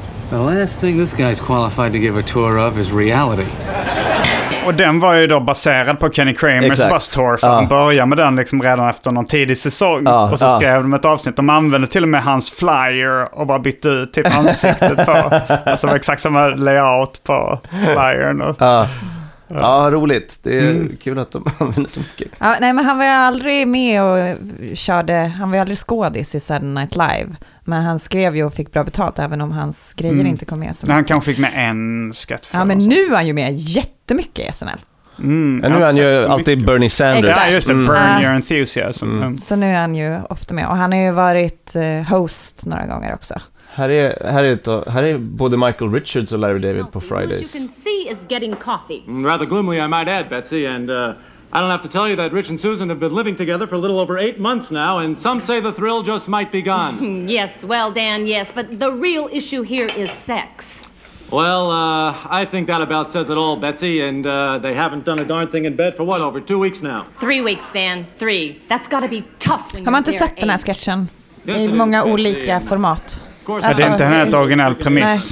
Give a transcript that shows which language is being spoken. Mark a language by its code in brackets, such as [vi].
[en] The last thing this guy's qualified to give a tour of is reality. [sv] Och den var ju då baserad på Kenny Kramers Bus Tour, för de började med den liksom redan efter någon tidig säsong. Och så skrev de ett avsnitt. De använde till och med hans flyer och bara bytte ut typ ansiktet på. Alltså exakt samma layout på flyern. Ja, roligt. Det är kul att de använder så mycket. Ja, nej, men han var ju aldrig med och körde. Han var ju aldrig skådis i Saturday Night Live. Men han skrev ju och fick bra betalt, även om hans grejer inte kom med. Han kanske fick med en skatt. Ja, men nu är han ju med jättemycket i SNL. Men nu är han ju alltid mycket. Bernie Sanders. Ja, just det. Burn your enthusiasm. Mm. Så nu är han ju ofta med. Och han har ju varit host några gånger också. Här är både Michael Richards och Larry David på Fridays. [en] What you can see is getting coffee. Rather gloomily, I might add, Betsy. And I don't have to tell you that Rich and Susan have been living together for a little over 8 months now, and some say the thrill just might be gone. Yes, well, Dan, yes, but the real issue here is sex. Well, I think that about says it all, Betsy, and they haven't done a darn thing in bed for what, over 2 weeks now? 3 weeks, Dan, 3. That's got to be tough when [sv] Har man inte sett den här sketchen i många olika format? Alltså, det är inte en helt originell premiss.